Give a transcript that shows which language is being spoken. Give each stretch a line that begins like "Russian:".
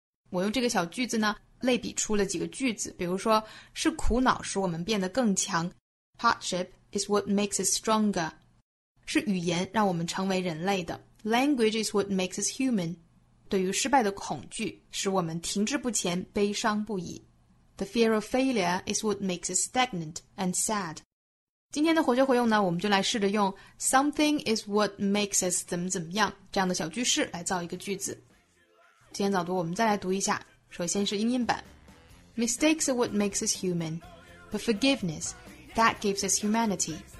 Chinese: 我用这个小句子呢类比出了几个句子，比如说是苦恼使我们变得更强，
English: Hardship is what makes us stronger.
Chinese: 是语言让我们成为人类的，
English: Language is what makes us human.
Chinese: 对于失败的恐惧使我们停滞不前悲伤不已。
English: The fear of failure is what makes us stagnant and sad.
Chinese: 今天的活学活用呢，我们就来试着用
English: Something is what makes us
Chinese: 怎么怎么样这样的小句式来造一个句子。今天早读我们再来读一下，首先是英音版。
English: Mistakes are what makes us human, but forgiveness, that gives us humanity.